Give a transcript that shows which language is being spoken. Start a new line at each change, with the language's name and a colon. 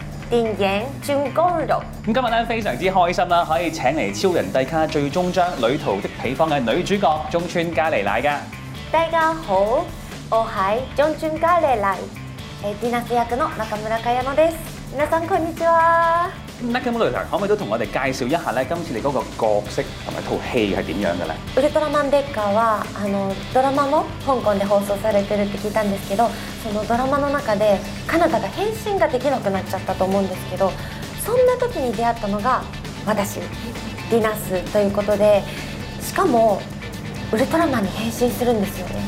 Chinese: 電影轉公路。今天非常開心，可以請來超人帝卡最終章旅途的彼方的女主角中村佳麗乃。大家好，我是中村佳麗乃，
Japanese: ディナス役の中村佳乃です。皆さんこんにちは。
Chinese: 中村佳乃可不可以都跟我們介紹一下今次你的角色和套戲是怎樣的呢？
Japanese: ウルトラマンデッカーはドラマも香港で放送されてるって聞いたんですけど、そのドラマの中でカナタが変身ができなくなっちゃったと思うんですけど、そんな時に出会ったのが私ディナスということで、しかもウルトラマンに変身するんですよね。